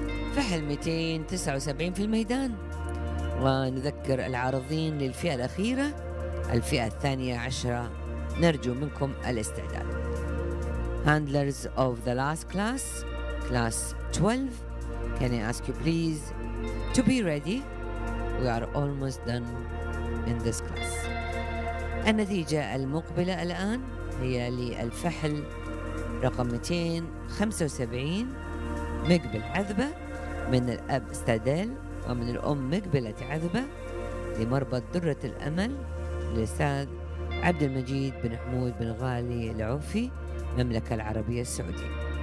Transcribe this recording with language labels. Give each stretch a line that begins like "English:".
Arabic: الفحل 279 في الميدان. ونذكر العارضين للفئة الأخيرة، الفئة الثانية عشرة، نرجو منكم الاستعداد.
English: Handlers of the last class, class 12, can I ask you please to be ready? We are almost done in this class.
Arabic: النتيجة المقبلة الآن هي للفحل رقم 275 مقبل عذبة من الأب استادل ومن الأم مقبلة عذبة لمربط درة الأمل للأستاذ عبد المجيد بن حمود بن غالي العوفي مملكة العربية السعودية.